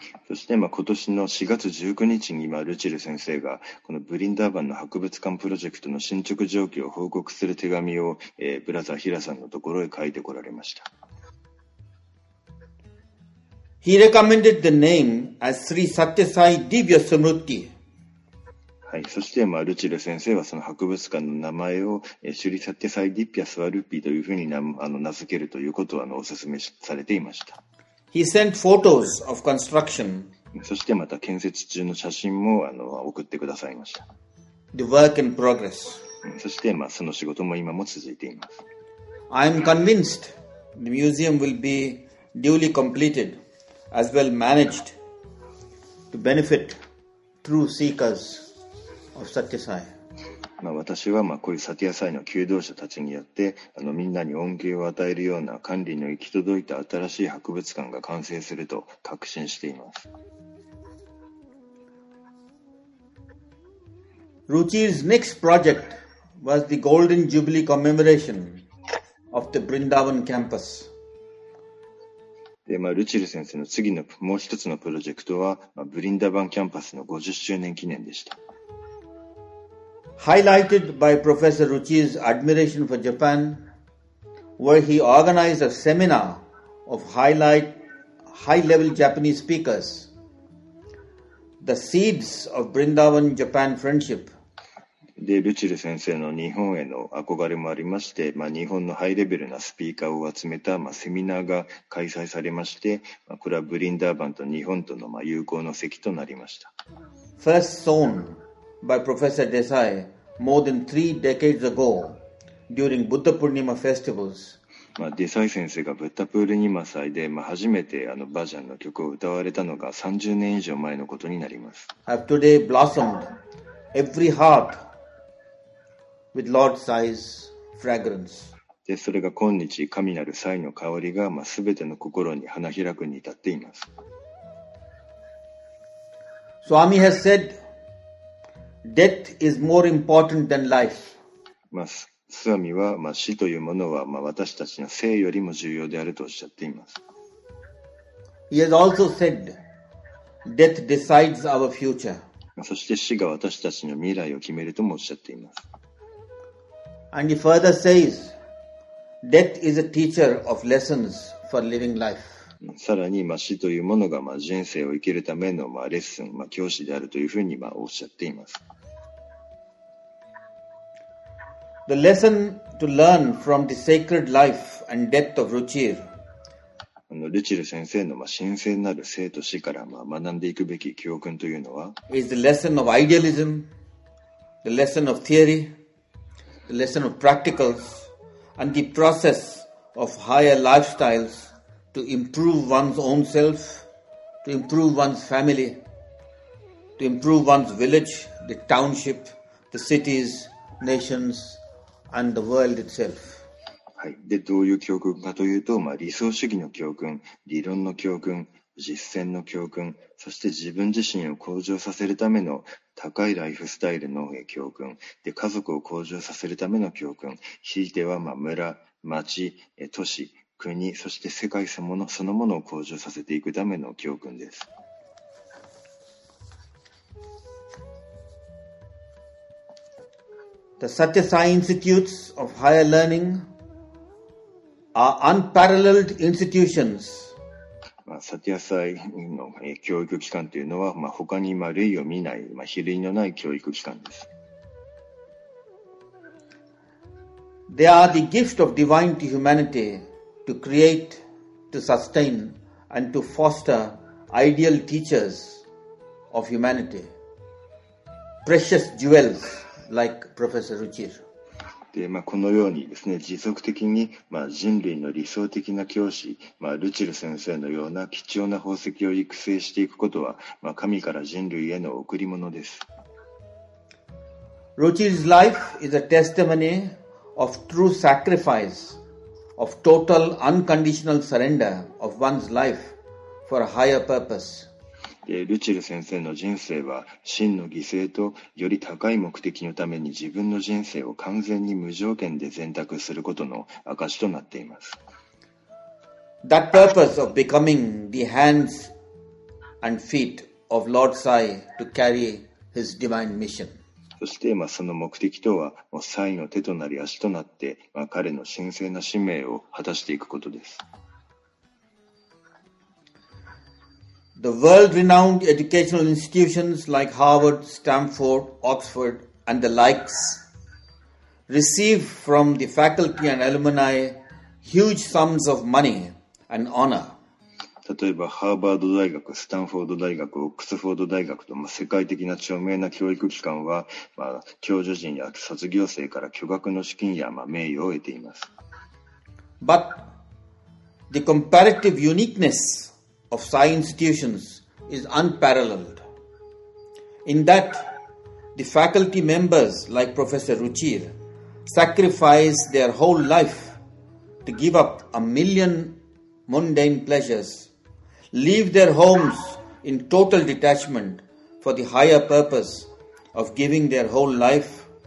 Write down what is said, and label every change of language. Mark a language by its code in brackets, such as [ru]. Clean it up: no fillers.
[ja] そして今年の4月19日に今ルチル先生がこのブリンダーバンの博物館プロジェクトの進捗状況を報告する手紙をブラザーヒラさんのところへ書いてこられました。 [en] He recommended the name as Sri Satya Sai Divya Smriti. [ja] はい、そしてルチル先生はその博物館の名前をシュリサテサイディピアスワルピーというふうに名付けるということをお勧めされていました。 [en] He sent photos of construction. [ja] そしてまた建設中の写真も送ってくださいました。 [en] The work in progress. [ja] そしてその仕事も今も続いています。 [en] I am convinced the museum will be duly completed as well managed to benefit true seekers of Satya Sai. [ja] 私はこういうサティアサイの求道者たちによってみんなに恩恵を与えるような管理の行き届いた新しい博物館が完成すると確信しています。 [en] Ruchi's next project was the Golden Jubilee Commemoration of the Vrindavan Campus。 [ja] で、ルチル先生の次のもう一つのプロジェクトは、ブリンダバンキャンパスの50周年記念でした。 [en] Highlighted by Professor Ruchi's admiration for Japan, where he organized a seminar of high-level Japanese speakers, the seeds of Vrindavan-Japan friendship. [ja] で、ルチル先生の日本への憧れもありまして、日本のハイレベルなスピーカーを集めた、セミナーが開催されまして、これはブリンダーバンと日本との、友好の席となりました。 [en] First sown by Professor Desai. More than three decades ago, during Buddha Purnima festivals, [ja] デサイ先生がブッダプルニマ祭で初めてバジャンの曲を歌われたのが30年以上前のことになります。 [en] Have today blossomed every heart with Lord Sai's fragrance. [ja] で、それが今日神なるサイの香りがすべての心に花開くに至っています。 [en] Swami has said. Death is more important than life. [ja] スワミは死というものは私たちの生よりも重要であるとおっしゃっています。 [en] He has also said, death decides our future. [ja] そして死が私たちの未来を決めるともおっしゃっています。 [en] And he further says, death is a teacher of lessons for living life. [ja] さらに死というものが人生を生きるためのレッスン、教師であるというふうにおっしゃっています。 [en] The lesson to learn from the sacred life and death of Ruchir. [ja] ルチル先生の神聖なる生と死から学んでいくべき教訓というのは、 [en] is the lesson of idealism, the lesson of theory, the lesson of practicals, and the process of higher lifestyles to improve one's own self, to improve one's family, to improve one's village, the township, the cities, nations, and the world itself. [ja] はい。で、どういう教訓かというと、まあ、理想主義の教訓、理論の教訓、実践の教訓、そして自分自身を向上させるための高いライフスタイルの教訓、で、家族を向上させるための教訓、ひいては、まあ、村、町、都市、国、そして世界そのものを向上させていくための教訓です。 [en] The Satya Sai Institutes of Higher Learning are unparalleled institutions. [ja] Satya Sai の教育機関というのは、まあ、他に類を見ない、まあ、比類のない教育機関です。 [en] They are the gift of divine to humanity to create, to sustain, and to foster ideal teachers of humanity. Precious jewels. Like、Professor Ruchir. [ja] でまあ、このようにですね、持続的に、まあ、人類の理想的な教師、まあ、ルチル先生のような貴重な宝石を育成していくことは、まあ、神から人類への贈り物です。 [en] Ruchir's life is a testimony of true sacrifice, of total unconditional surrender of one's life for a higher purpose. [ja] ルチル先生の人生は真の犠牲とより高い目的のために自分の人生を完全に無条件で選択することの証となっています。 [en] That purpose of becoming the hands and feet of Lord Sai to carry his divine mission. [ja] そして、まあ、その目的とは、もうサイの手となり足となって、まあ、彼の神聖な使命を果たしていくことです。 [en] The world-renowned educational institutions like Harvard, Stanford, Oxford, and the likes receive from the faculty and alumni huge sums of money and honor. [ja] 例えば、ハーバード大学、スタンフォード大学、オックスフォード大学と、まあ、世界的な著名な教育機関は、まあ、教授陣や卒業生から巨額の資金や、まあ、名誉を得ています。 [en] But the comparative uniqueness of Sai institutions is unparalleled. In that, the faculty members like Professor Ruchir sacrifice their whole life to give up a million mundane pleasures, leave their homes in total detachment for the higher purpose of giving their whole life.